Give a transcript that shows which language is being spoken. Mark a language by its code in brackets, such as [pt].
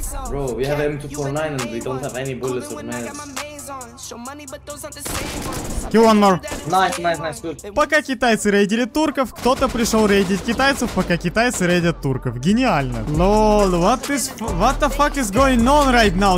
[en] Bro, we have M249 and we don't have any bullets of meds. Kill one more. Nice, good. [ru] Пока китайцы рейдили турков, кто-то пришел рейдить китайцев, пока китайцы рейдят турков. Гениально. [en] Lol, what the fuck is going on right now?